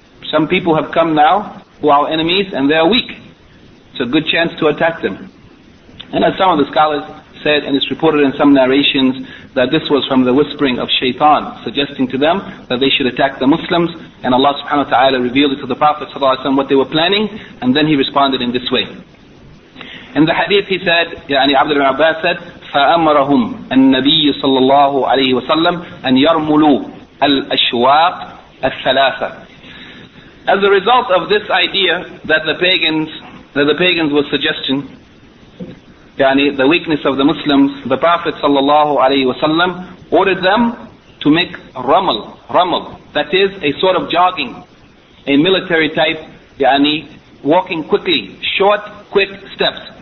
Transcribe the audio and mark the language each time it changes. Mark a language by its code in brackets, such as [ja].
[en] Some people have come now who are our enemies and they are weak. It's a good chance to attack them. And as some of the scholars said, and it's reported in some narrations, that this was from the whispering of Shaitan, suggesting to them that they should attack the Muslims, and Allah subhanahu wa ta'ala revealed it to the Prophet sallallahu alayhi wa what they were planning, and then he responded in this way. In the hadith he said, [ar] يعني عبد ibn Abbas said, فَأَمَرَهُمْ النَّبِيُّ صَلَّى اللَّهُ عَلَيْهِ وَسَلَّمْ أَنْ يَرْمُلُوا الْأَشْوَاقَ الثَّلَاثَ. [en] As a result of this idea that the pagans were suggesting, yani the weakness of the Muslims, the Prophet sallallahu alayhi wa sallam ordered them to make ramal, that is a sort of jogging, a military type, yani walking quickly, short, quick steps.